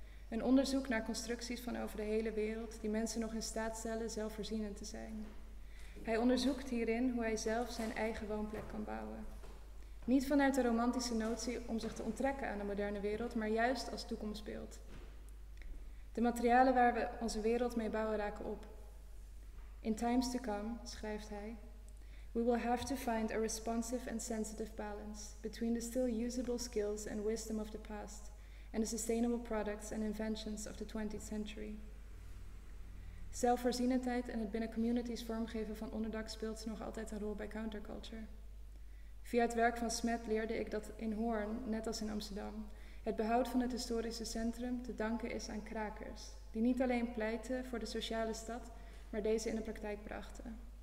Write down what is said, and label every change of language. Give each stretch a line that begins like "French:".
Dutch: Een onderzoek naar constructies van over de hele wereld die mensen nog in staat stellen zelfvoorzienend te zijn. Hij onderzoekt hierin hoe hij zelf zijn eigen woonplek kan bouwen. Niet vanuit de romantische notie om zich te onttrekken aan de moderne wereld, maar juist als toekomstbeeld. De materialen waar we onze wereld mee bouwen raken op.
English: In times to come,
Dutch: schrijft hij,
English: we will have to find a responsive and sensitive balance between the still usable skills and wisdom of the past and the sustainable products and inventions of the 20th century.
Dutch: Zelfvoorzienendheid en het binnen communities vormgeven van onderdak speelt nog altijd een rol bij counterculture. Via het werk van Smet leerde ik dat in Hoorn, net als in Amsterdam, het behoud van het historische centrum te danken is aan krakers, die niet alleen pleitten voor de sociale stad, maar deze in de praktijk brachten.